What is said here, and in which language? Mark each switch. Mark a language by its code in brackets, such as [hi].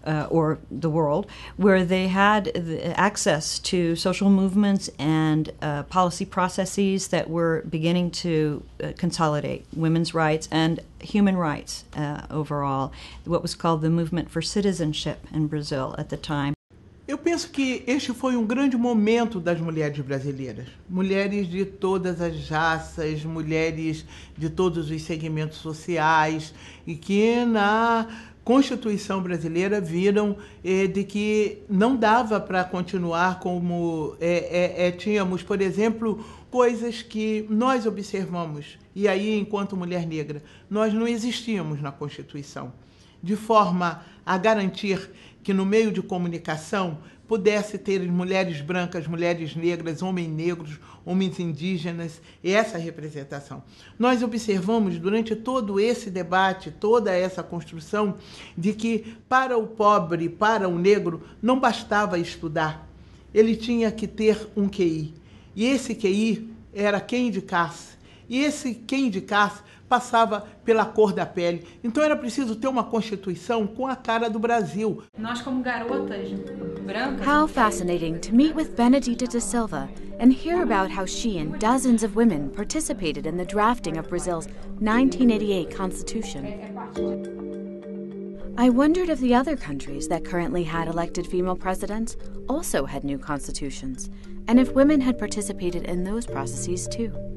[en] Or the world, where they had access to social movements and policy processes that were beginning to consolidate women's rights and human rights overall, what was called the movement for citizenship in Brazil at the time. [pt] Eu penso que este foi grande momento das mulheres brasileiras. Mulheres de todas as raças, mulheres de todos os segmentos sociais, e que na Constituição brasileira viram de que não dava para continuar como tínhamos, por exemplo, coisas que nós observamos, e aí enquanto mulher negra, nós não existíamos na Constituição, de forma a garantir que no meio de comunicação pudesse ter mulheres brancas, mulheres negras, homens negros, homens indígenas, essa representação. Nós observamos durante todo esse debate, toda essa construção, de que para o pobre, para o negro, não bastava estudar. Ele tinha que ter um QI. E esse QI era quem indicasse. E esse quem indicasse passava pela cor da pele. Então era preciso ter uma constituição com a cara do Brasil. Nós como garotas brancas. [en] How fascinating to meet with Benedita da Silva and hear about how she and dozens of women participated in the drafting of Brazil's 1988 constitution. I wondered if the other countries that currently had elected female presidents also had new constitutions, and if women had participated in those processes too.